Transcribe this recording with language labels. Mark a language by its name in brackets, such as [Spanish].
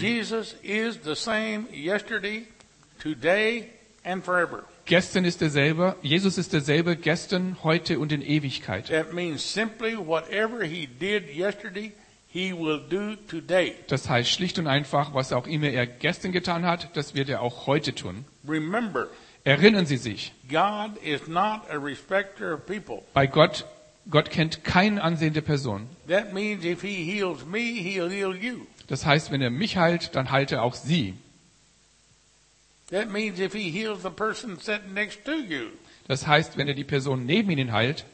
[English] Jesus is the same yesterday, today and forever. [German] Gestern ist derselbe, Jesus ist derselbe, gestern, heute und in Ewigkeit. [English] That means simply whatever he did yesterday, he will do today. [German] Das heißt schlicht und einfach, was auch immer er gestern getan hat, das wird er auch heute tun. [English] Remember, [German] erinnern Sie sich. [English] God is not a respecter of people. [German] Bei Gott, Gott kennt kein Ansehen der Person. [English] That means if he heals me, he'll heal you. [German] Das heißt, wenn er mich heilt, dann heilt er auch Sie. [English] That means if he heals the person sitting next to you. [German] Das heißt, wenn er die Person neben Ihnen heilt,